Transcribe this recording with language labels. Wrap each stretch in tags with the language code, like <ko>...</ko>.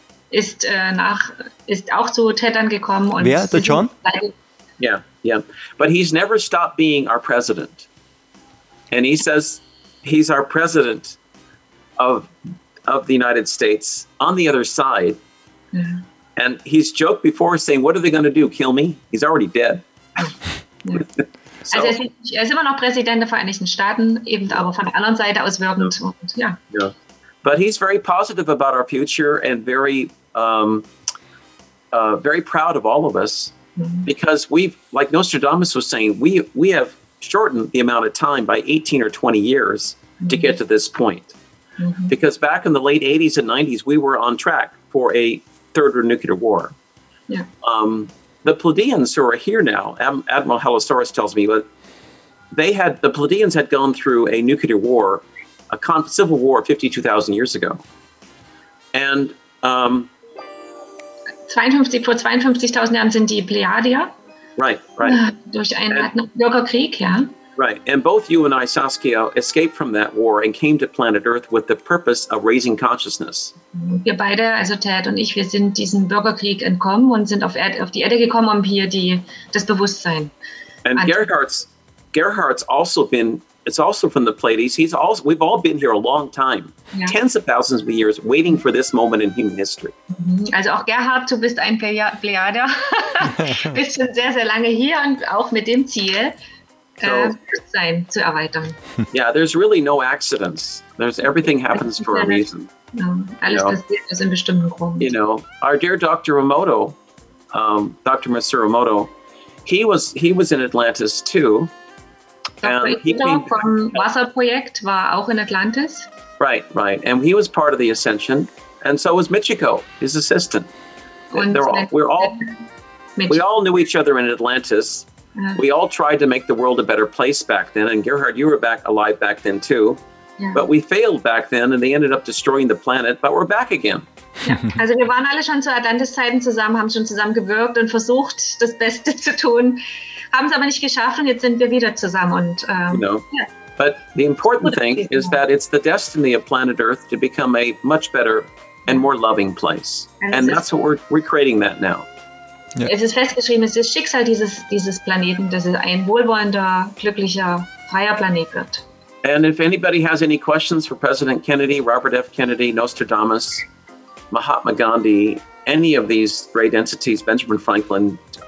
<de>Ist auch zu Ted angekommen. Und wer, der John?</de> <en>Yeah. But he's never stopped being our president. And he says he's our president of the United States on the other side. Yeah. And he's joked before saying, what are they going to do, kill me? He's already dead.</en> <de>So, also er ist immer noch Präsident der Vereinigten Staaten, eben aber von der anderen Seite auswirkend.</de> <en>But he's very positive about our future and very very proud of all of us. Mm-hmm. Because we've, like Nostradamus was saying, we have shortened the amount of time by 18 or 20 years to get to this point. Mm-hmm. Because back in the late 80s and 90s, we were on track for a third nuclear war. Yeah. The Pleiadians who are here now, Admiral Halosaurus tells me, but the Pleiadians had gone through a nuclear war, civil war 52,000 years ago. And</en> <de>52, vor 52,000 Jahren sind die Pleiadier.</de> <en>Right.</en> <de>Durch einen Bürgerkrieg, ja.</de> <en>Right. And both you and I, Saskia, escaped from that war and came to planet Earth with the purpose of raising consciousness.</en> <de>Wir beide, also Ted und ich, wir sind diesem Bürgerkrieg entkommen und sind auf die Erde gekommen, um hier das Bewusstsein.</de> <en>And Gerhard's also been, it's also from the Pleiades. We've all been here a long time, tens of thousands of years, waiting for this moment in human history.</en> <de>Also auch Gerhard, du bist ein Pleiader. Bist schon sehr, sehr lange hier und auch mit dem Ziel, sein zu erweitern.</de> <en>Yeah, there's really no accidents. Everything happens for a reason.</en> <de>Alles passiert aus einem bestimmten Grund.</de> <en>You know, our dear Dr. Emoto, Dr. Masaru Emoto, he was in Atlantis too.</en> <de>Vom Wasserprojekt war auch in Atlantis.</de> <en>Right. And he was part of the Ascension, and so was Michiko, his assistant.</en> <de>Und</de> <en>we all knew each other in Atlantis. We all tried to make the world a better place back then, and Gerhard, you were back alive back then too. But we failed back then, and they ended up destroying the planet, but we're back again.</en> <de>Also wir waren alle schon zu Atlantis-Zeiten zusammen, haben schon zusammen gewirkt und versucht, das Beste zu tun, haben es aber nicht geschafft, und jetzt sind wir wieder zusammen. Und,</de> <en>But the important thing is that it's the destiny of planet Earth to become a much better and more loving place. And that's what we're creating that now. Yeah.</en> <de>Es ist festgeschrieben, es ist das Schicksal dieses Planeten, dass es ein wohlwollender, glücklicher, freier Planet wird.</de> <en>And if anybody has any questions for President Kennedy, Robert F. Kennedy, Nostradamus, Mahatma Gandhi, any of these great entities, Benjamin Franklin,</en>